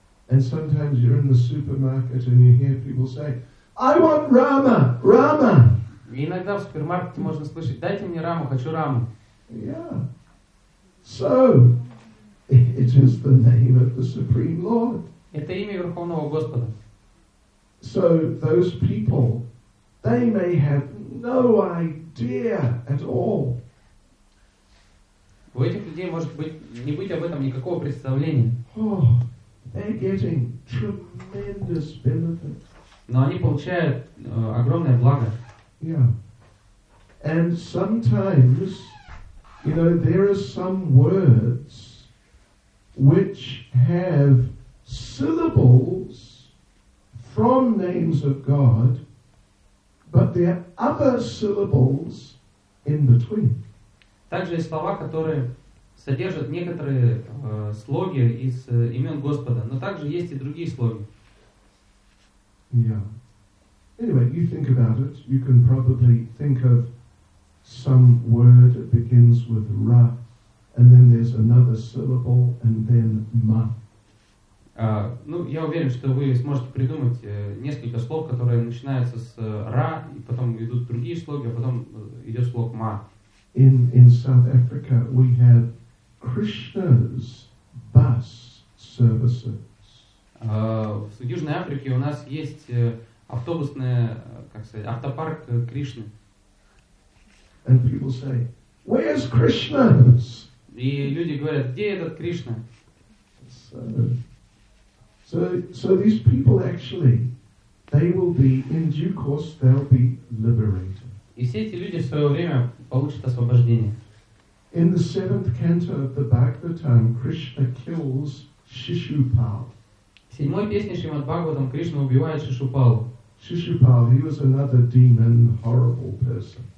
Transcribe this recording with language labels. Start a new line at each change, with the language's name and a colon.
English: And sometimes you're in the supermarket and you hear people say, I want Rama, Rama.
Russian: И иногда в супермаркете можно слышать, дайте мне Раму, хочу Раму.
English: Yeah. So, it is the name of the Supreme Lord.
Russian: Это имя Верховного Господа.
English: So, those people, they may have no idea at all.
Russian: У этих людей может быть не быть об этом никакого представления.
English: Oh, they're getting tremendous benefit.
Russian: Но они получают огромное благо.
English: Yeah. And sometimes, you know, there are some words which have syllables from names of God, but there are other syllables in between.
Russian: Также есть слова, которые содержат некоторые слоги из имен Господа, но также есть и другие слоги.
English: Yeah. Anyway, you think about it. You can probably think of some word that begins with ra, and then there's another syllable, and then ma.
Russian: Ну, я уверен, что вы сможете придумать несколько слов, которые начинаются с ra, и потом идут другие слоги, а потом идет слог ma.
English: In South Africa, we have Krishna's bus services.
Russian: В Южной Африке у нас есть автобусный, как сказать, автопарк Кришны.
English: And people say, where's Krishna?
Russian: И люди говорят, где этот Кришна?
English: So these people actually, they will be, in due course, they'll be liberated.
Russian: И все эти люди в свое время получат освобождение.
English: In the seventh canto of the Bhagavatam, Krishna kills Shishupal.
Russian: В седьмой песне Шримад-Бхагаватам Кришна убивает Шишупалу.
English: Шишупал, he was another demon, horrible person.